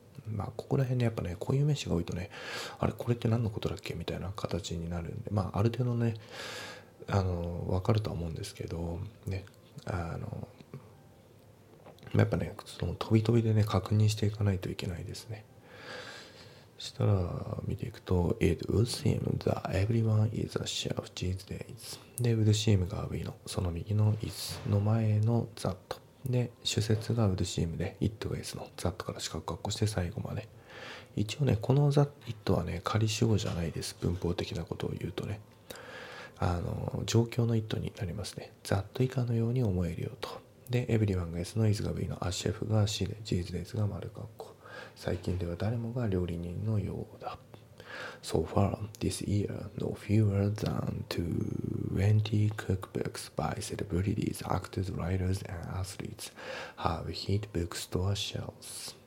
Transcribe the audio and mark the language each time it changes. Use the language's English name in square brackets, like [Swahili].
[Japanese] まあ、ここら辺でやっぱね、こういう名詞が多いとね、あれこれって何のことだっけみたいな形になるんで、まあある程度ね、分かるとは思うんですけどね、やっぱね、その飛び飛びでね、確認していかないといけないですね。そしたら見ていくと、 [English] It would seem that everyone is a chef these days。 [Japanese] で、 would seem が上のその右の is の前の thatで、主節がウルシームで、it が is の that から四角括弧して最後まで。一応ね、この that、it はね、仮主語じゃないです。文法的なことを言うとね。状況の it になりますね。 that 以下のように思えるよと。で、everyone が is の is が v の、a chef が c で、cheese days が丸括弧。最近では誰もが料理人のようだ。 [English] So far, this year, no fewer than 20 cookbooks by celebrities, actors, writers, and athletes have hit bookstore shelves.